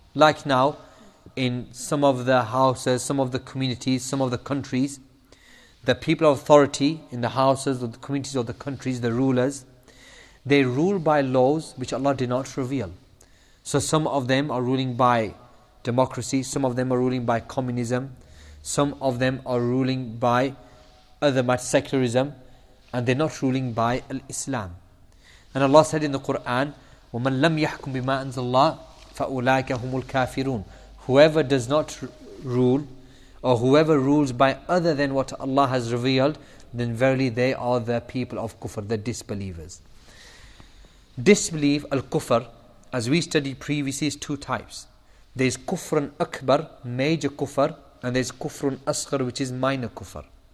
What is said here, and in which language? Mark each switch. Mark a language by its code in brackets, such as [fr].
[en] Like now, in some of the houses, some of the communities, some of the countries, the people of authority in the houses or the communities or the countries, the rulers, they rule by laws which Allah did not reveal. So some of them are ruling by democracy, some of them are ruling by communism, some of them are ruling by other matters, secularism, and they're not ruling by Islam. And Allah said in the Quran, [ar] وَمَنْ لَمْ يَحْكُمْ بِمَا أَنْزَ اللَّهِ فَأُولَٰئِكَ هُمُ الْكَافِرُونَ. [en] Whoever does not rule, or whoever rules by other than what Allah has revealed, then verily they are the people of kufr, the disbelievers. Disbelief, al-kufr, as we studied previously, is two types. There's kufrun akbar, major kufr, and there's kufrun asghar, which is minor kufr.